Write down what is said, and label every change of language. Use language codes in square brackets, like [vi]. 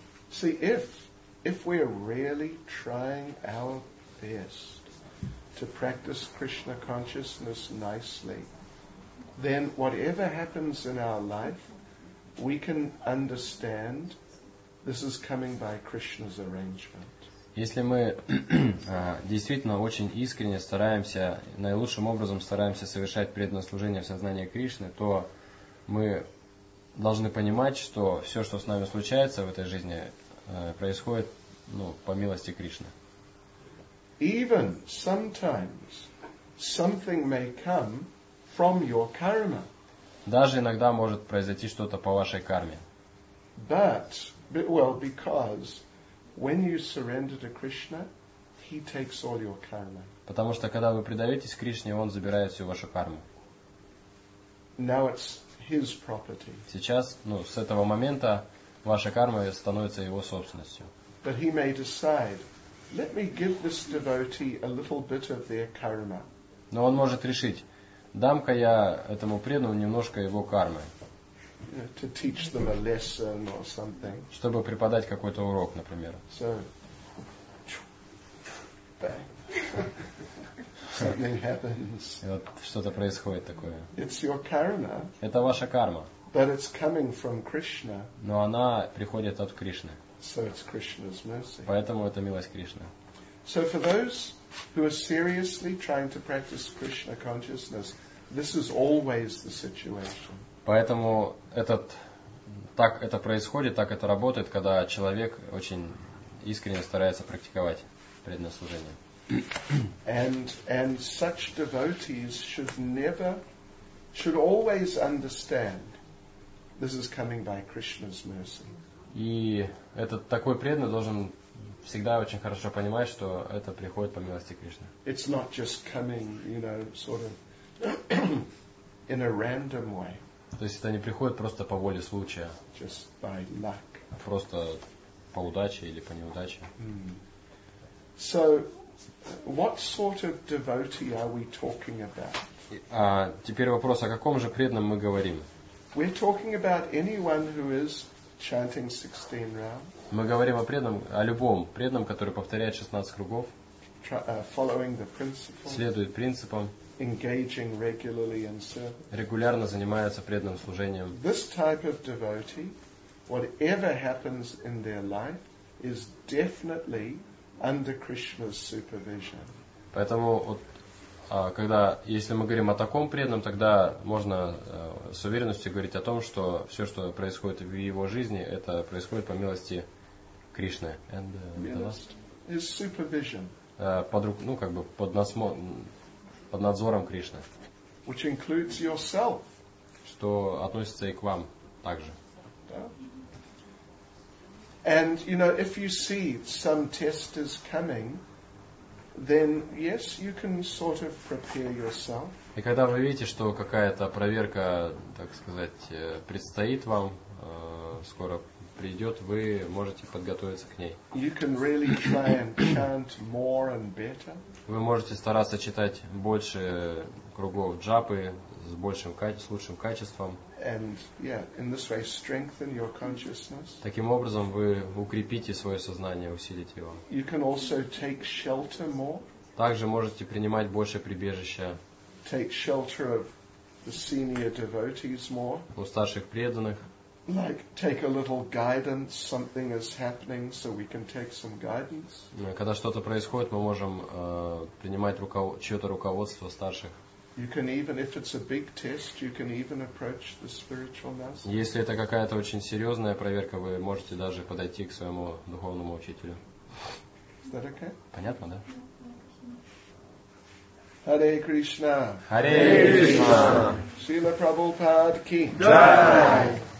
[en] See, if we're really trying our best to practice Krishna consciousness nicely, then whatever happens in our life, we can understand this is coming by Krishna's arrangement. [ru] Если мы действительно очень искренне стараемся, наилучшим образом стараемся совершать преданное служение в сознании Кришны, то мы должны понимать, что все, что с нами случается в этой жизни, происходит, ну, по милости Кришны. [en] Even sometimes something may come from your karma. [ru] Даже иногда может произойти что-то по вашей карме. [en] But because when you surrender to Krishna, he takes all your karma. [ru] Потому что когда вы предаетесь Кришне, он забирает всю вашу карму. [en] Now it's his property. [ru] Сейчас, ну, с этого момента ваша карма становится его собственностью. [en] But he may decide, let me give this devotee a little bit of their karma. [ru] Но он может решить: дам-ка я этому преданному немножко его кармы. [en] To teach them a lesson or something. [ru] Чтобы преподать какой-то урок, например. [en] So, something happens. [ru] И вот что-то происходит такое. [en] It's your karma. [ru] Это ваша карма. [en] But it's coming from Krishna. [ru] Но она приходит от Кришны. [en] So it's Krishna's mercy. [ru] Поэтому это милость Кришны. [en] So for those who are seriously trying to practice Krishna consciousness, this is always the situation. [ru] Поэтому так это происходит, так это работает, когда человек очень искренне старается практиковать преданное служение. [en] And such devotees should always understand this is coming by Krishna's mercy. [ru] И этот такой преданный должен всегда очень хорошо понимает, что это приходит по милости Кришны. [en] It's not just coming, you know, sort of in a random way. [ru] То есть это не приходит просто по воле случая. [en] Just by luck. [ru] Просто по удаче или по неудаче. [en] So, what sort of devotee are we talking about? [ru] А теперь вопрос, о каком же преданном мы говорим? [en] We're talking about anyone who is chanting 16 rounds. [ru] Мы говорим о преданном, о любом преданном, который повторяет 16 кругов, [en] following the principles, [ru] следует принципам, [en] engaging regularly in service, [ru] регулярно занимается преданным служением. [en] This type of devotee, whatever happens in their life, is definitely under Krishna's supervision. [ru] Поэтому вот, когда, если мы говорим о таком преданном, тогда можно с уверенностью говорить о том, что все, что происходит в его жизни, это происходит по милости Кришны. [en] And the last is supervision. [ru] Под надзором Кришны. [en] Which includes yourself. [ru] Что относится и к вам также. [en] And you know, if you see some test is coming, then yes, you can sort of prepare yourself. [ru] И когда вы видите, что какая-то проверка, так сказать, предстоит вам, скоро придет, вы можете подготовиться к ней. [en] You can really try and chant more and better. [ru] Вы можете стараться читать больше кругов джапы с большим с лучшим качеством. [en] And yeah, in this way strengthen your consciousness. [ru] Таким образом вы укрепите свое сознание, усилите его. [en] You can also take shelter more. [ru] Также можете принимать больше прибежища. [en] Take shelter of the senior devotees more. [ru] У старших преданных. [en] Like take a little guidance, something is happening, so we can take some guidance. [ru] Когда что-то происходит, мы можем принимать чьё-то руководство старших. [en] You can even, if it's a big test, you can even approach the spiritual master. [ru] Если это какая-то очень серьезная проверка, вы можете даже подойти к своему духовному учителю. [en] Is that okay? [ru] Понятно, да? [sa] Hare Krishna. Hare Krishna. Srila Prabhupada ki. Jai.